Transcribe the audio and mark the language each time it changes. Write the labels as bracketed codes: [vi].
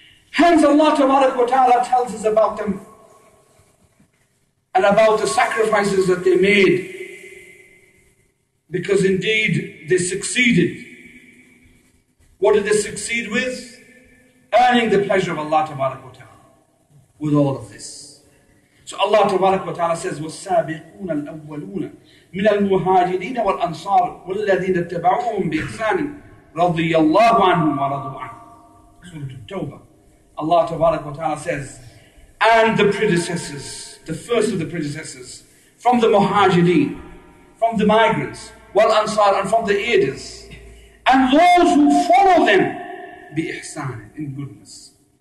[en] Hence Allah tabarak wa ta'ala tells us about them and about the sacrifices that they made, because indeed they succeeded. What did they succeed with? Earning the pleasure of Allah tabarak wa ta'ala with all of this. So Allah tabarak wa ta'ala says, [ar] وَالسَّابِقُونَ الْأَوَّلُونَ مِنَ الْمُهَاجِرِينَ وَالْأَنصَارِ وَالَّذِينَ اتَّبَعُوهُمْ بِإِحْسَانٍ رَضِيَ اللَّهُ عَنْهُمْ وَرَضُوا عَنْهُمْ. [en] Surah At-Tawbah. Allah tabarak wa ta'ala says, and the predecessors, the first of the predecessors, from the muhajideen, from the migrants, wal-ansar, and from the aiders, and those who follow them, [ar] bi ihsan, [en] in goodness.